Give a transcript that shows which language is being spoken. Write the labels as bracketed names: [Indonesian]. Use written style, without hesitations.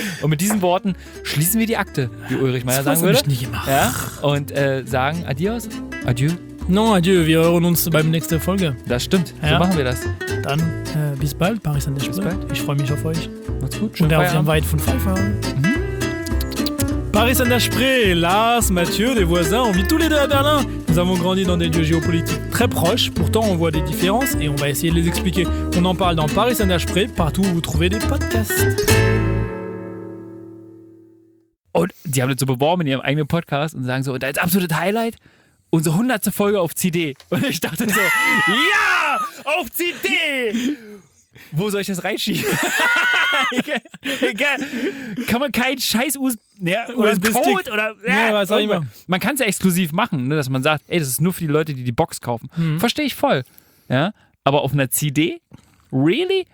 [German] Und mit diesen Worten schließen wir die Akte, wie Ulrich Meier sagen würde. Das habe ich nie gemacht. Ja? Und sagen adios. Adieu. [French] Non, adieu. [German] Wir hören uns beim nächsten Folge. Das stimmt. Ja. So machen wir das. Dann bis bald. Paris an der Schule. Bis bald. Ich freue mich auf euch. Macht's gut. Schönen Feierabend. Und auf den Weit von Pfeiffer. Mhm. [French] Paris an der Spree, Lars, Mathieu, des voisins, on vit tous les deux à Berlin. Nous avons grandi dans des lieux géopolitiques très proches, pourtant on voit des différences et on va essayer de les expliquer. On en parle dans Paris an der Spree, partout où vous trouvez des podcasts. [German] Und die haben das so beworben in ihrem eigenen Podcast und sagen so, und als absolutes Highlight, unsere 100. Folge auf CD. Und ich dachte so, ja, auf CD! Wo soll ich das reinschieben? Kann man kein scheiß USB-Code oder... Man kann es ja exklusiv machen, ne, dass man sagt, ey, das ist nur für die Leute, die die Box kaufen. Mhm. Verstehe ich voll. Ja? Aber auf einer CD? Really?